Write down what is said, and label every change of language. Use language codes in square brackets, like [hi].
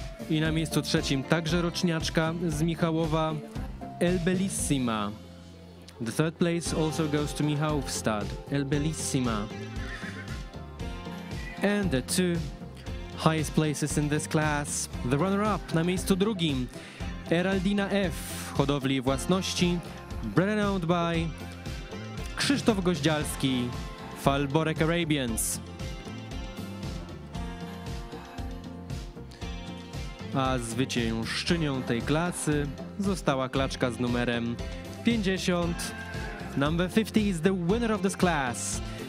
[pl] I na miejscu trzecim także roczniaczka z Michałowa, El Bellissima. [en] The third place also goes to Michał Wstad, El Bellissima. And the two highest places in this class, the runner-up, [pl] na miejscu drugim, [en] Eraldina F, [pl] hodowli własności, [en] Bred Out By, Krzysztof Goździalski, Falborek Arabians. [pl] A zwyciężczynią tej klasy została klaczka z numerem 50. [en] Number 50 is the winner of this class.